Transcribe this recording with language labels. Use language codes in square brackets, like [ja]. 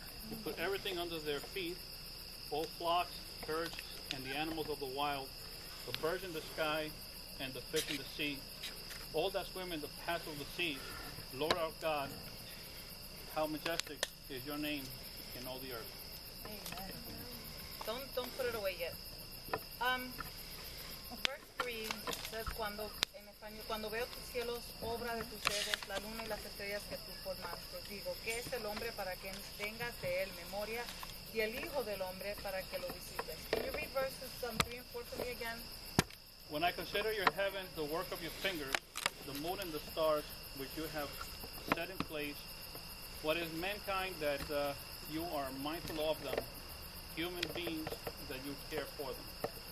[en] You put everything under their feet, all flocks, herds, and the animals of the wild, the birds in the sky, and the fish in the sea, all that swim in the path of the sea. Lord our God, how majestic is your name in all the earth. Amen. Don't put it away yet. Verse 3 says, [es] cuando, en español, cuando veo tus cielos, obra de tus dedos, la luna y las estrellas que tú formaste, digo, ¿qué es el hombre para que tengas de él memoria, y el hijo del hombre para que lo visites? [en] Can you read verses 3 and 4 for me again? When I consider your heavens, the work of your fingers, the moon and the stars which you have set in place, what is mankind that you are mindful of them, human beings that you care for them?